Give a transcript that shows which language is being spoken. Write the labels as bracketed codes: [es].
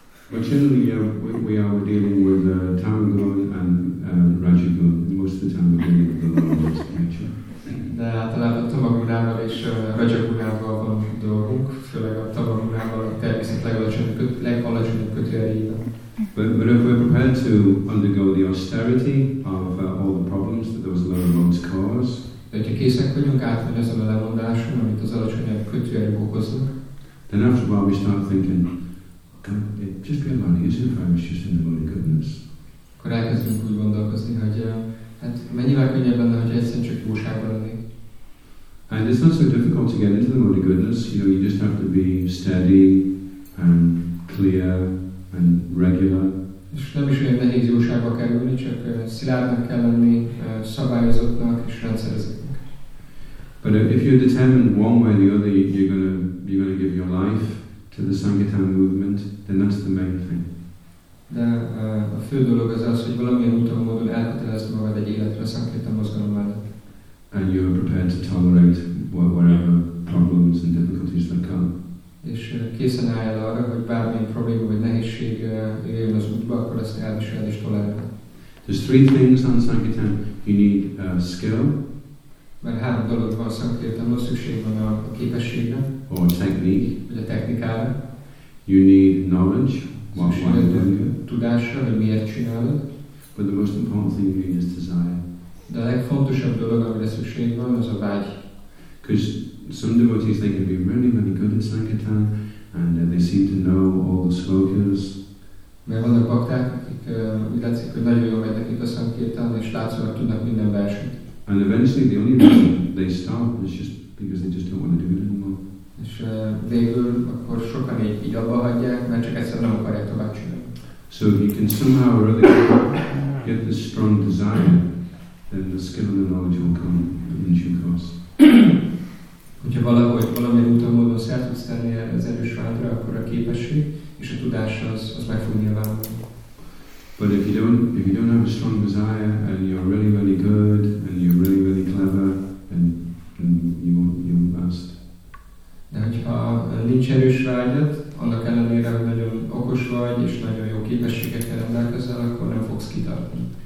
[en] But generally, we are dealing with Tamagun and Rajagun. Most of the time, we're dealing with the lower nature. [hu] De általában Tamagunával és Rajagunával van dolgunk, főleg a Tamagunával a természet legalacsonyabb kötőjeivel. [en] But if we're prepared to undergo the austerity of all the problems that those lower modes cause, [hu] de ha készek vagyunk átmenni azon a lemondáson, amit az alacsonyabb kötőjeim okoznak, [en] then after a while we start thinking, can it just be a lot easier if I was just in the Bodhi goodness? [hu] Akkor elkezdünk úgy gondolkozni, hogy hát mennyivel könnyebb lenne, hogy egyszerűen csak jóságban lennék. [en] And it's not so difficult to get into the Bodhi goodness. You know, you just have to be steady and clear and regular. [hu] És nem is olyan nehéz jóságba kerülni, csak szilárdnak kell lenni, szabályozottnak és rendszereznek. [en] But if you're determined one way or the other, you're gonna give your life to the Sankirtan movement, then that's the main thing. [hu] De a fő dolog az, hogy valamilyen úton módon elkötelezd magad egy életre a Sankirtan mozgalom mellett. [en] And you're prepared to tolerate whatever problems and difficulties that come. [hu] És készen álljál arra, hogy bármilyen probléma vagy nehézség jön az útba, akkor ezt elviseled és tolerálod. [en] There's three things on Sankirtan. You need skill. [hu] Mert három dolog van Sankirtan, az szükség van a képességre. [en] Or technique. [hu] Vagy a technikára. [en] You need knowledge. [hu] Szükség van a tudásra, hogy miért csinálod. [en] But the most important thing you need is desire. [hu] De a legfontosabb dolog, amire szükség van, az a vágy. [en] Some devotees, they can be really, really good at Sankirtan, and they seem to know all the slogans. [hu] Mert vannak bakták, akik úgy látszik, hogy nagyon jól megy nekik a Sankirtan, és látszólag tudnak minden verset. [en] And eventually, the only reason they stop is just because they just don't want to do it anymore. [hu] És végül, akkor sokan így abba hagyják, mert csak egyszer nem akarják tovább csinálni. [en] So if you can somehow really get this strong desire, then the skill and the knowledge will come in due course. [hu] Hogyha valahogy valamilyen úton módon szert tudsz tenni az erős vágyra, akkor a képesség és a tudás az meg fog nyilvánulni. [en] But if you don't have a strong desire and you're really really good and you're really really clever, then you won't last. [hu] De hogyha nincs erős vágyad, annak ellenére, hogy nagyon okos vagy és nagyon jó képességekkel rendelkezel, akkor nem fogsz kitartani.